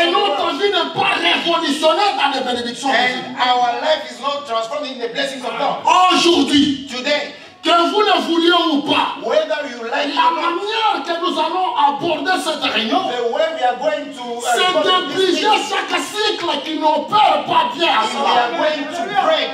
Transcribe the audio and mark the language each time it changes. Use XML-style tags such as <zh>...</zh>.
<fr>Et notre vie n'est pas révolutionnée dans les bénédictions.</fr> <en>And our life is not transformed in the blessings of God.</en> <fr>Aujourd'hui,</fr> <en>today,</en> <fr>que vous le vouliez ou pas,</fr> <en>whether you like</en> <fr>la manière que nous allons aborder cette réunion,</fr> <en>the way we are going to,</en> <fr>c'est de briser chaque cycle qui n'opère pas bien à cela.</fr>